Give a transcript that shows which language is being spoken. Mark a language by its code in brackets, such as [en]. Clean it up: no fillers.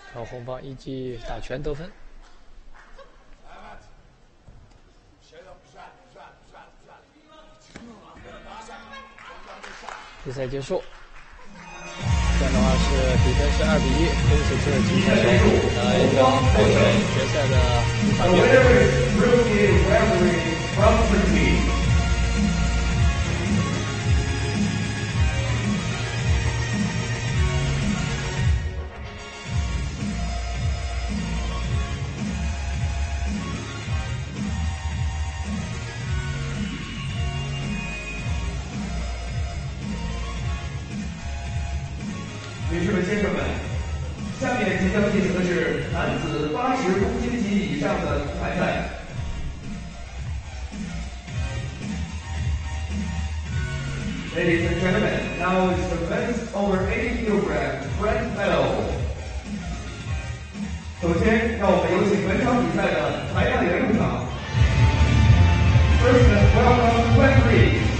[zh] 红方一记打拳得分，比赛结束。这样的话是比分是2-1，恭喜这今天的来的决赛的冠军。 [en] The winner is Rudy Reverie from the team。 [zh] 女士们、先生们，下面即将进行的是男子80公斤级以上的铜牌赛。 [en] Ladies and gentlemen, now is the men's over 80kg grand final. [zh] 首先，让我们有请本场比赛的裁判员入场。 [en] First, welcome referee.